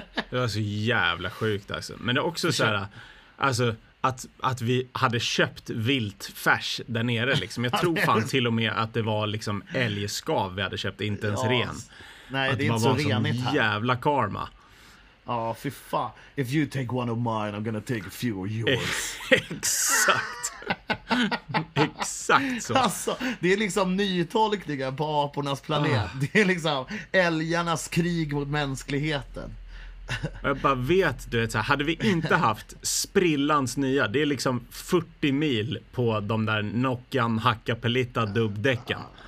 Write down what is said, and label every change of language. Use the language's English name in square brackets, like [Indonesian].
[Swedish] Det var så jävla sjukt alltså. Men det är också så här, alltså att vi hade köpt vilt färs där nere liksom. Jag tror fan till och med att det var liksom älgskav vi hade köpt, inte ens ren. Nej, att det är inte så renigt här. Det var jävla karma. Ja, fy fan. [English] If you take one of mine, I'm gonna take a few of yours. [Swedish] Exakt. Exakt så. Alltså, det är liksom nytolkningen på apornas planet. Det är liksom älgarnas krig mot mänskligheten. Jag bara vet, du vet så här, hade vi inte haft sprillans nya, det är liksom 40 mil på de där Nokian Hakkapeliitta dubbdäcken.